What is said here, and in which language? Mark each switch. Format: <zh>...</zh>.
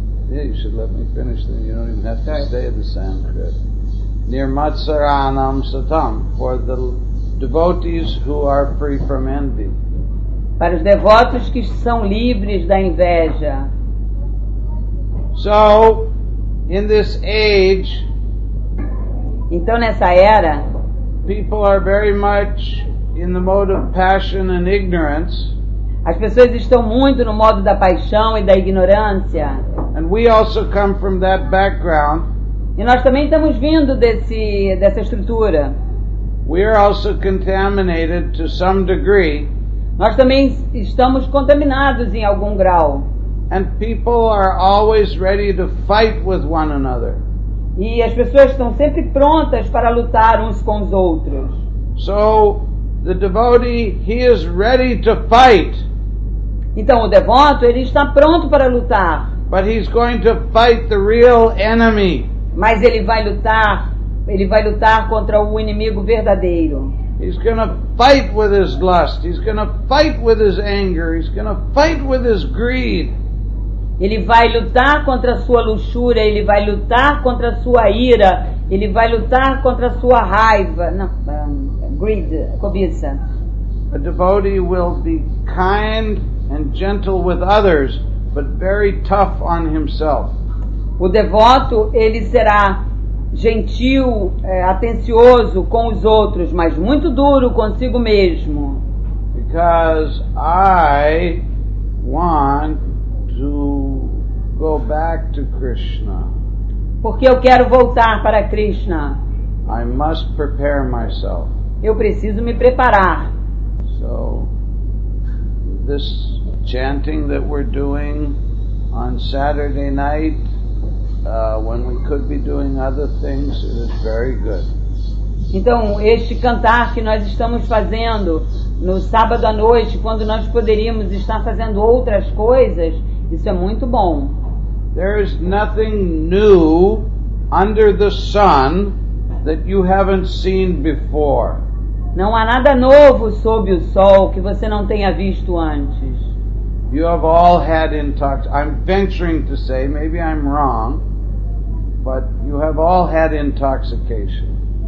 <en>Yeah, you should let me finish, then you don't even have to stay the Sanskrit.</en> <sa>Nirmatsaranam satam,</sa> <en>for the devotees who are free from envy.</en> <pt>Para os devotos que são livres da inveja.</pt> <en>So, in this age,</en> <pt>então nessa era,</pt> <en>people are very much in the mode of passion and ignorance.</en> <pt>As pessoas estão muito no modo da paixão e da ignorância.</pt> <en>And we also come from that background.</en> <pt>E nós também estamos vindo dessa estrutura.</pt> <en>We are also contaminated to some degree.</en> <pt>Nós também estamos contaminados em algum grau.</pt> <en>And people are always ready to fight with one another.</en> <pt>E as pessoas estão sempre prontas para lutar uns com os outros.</pt> <en>So, the devotee, he is ready to fight.</en> <pt>Então o devoto, ele está pronto para lutar.</pt> <en>But he's going to fight the real enemy.</en> <pt>Mas ele vai lutar contra o inimigo verdadeiro.</pt> <en>He's going to fight with his lust. He's going to fight with his anger. He's going to fight with his greed.</en> <pt>Ele vai lutar contra a sua luxúria. Ele vai lutar contra a sua ira. Ele vai lutar contra a sua raiva. Não, greed, cobiça.</pt> <en>A devotee will be kind and gentle with others, but very tough on himself.</en> <pt>O devoto, ele será gentil, atencioso com os outros, mas muito duro consigo mesmo.</pt> <en>Because I want to go back to Krishna.</en> <pt>Porque eu quero voltar para Krishna.</pt> <en>I must prepare myself.</en> <pt>Eu preciso me preparar.</pt> <en>So, this chanting that we're doing on Saturday night, when we could be doing other things, it is very good.</en> <pt>Então, este cantar que nós estamos fazendo no sábado à noite, quando nós poderíamos estar fazendo outras coisas, isso é muito bom.</pt> <en>There is nothing new under the sun that you haven't seen before.</en> <pt>Não há nada novo sob o sol que você não tenha visto antes.</pt> <en>You have all had intoxication. I'm venturing to say, maybe I'm wrong, but you have all had intoxication.</en>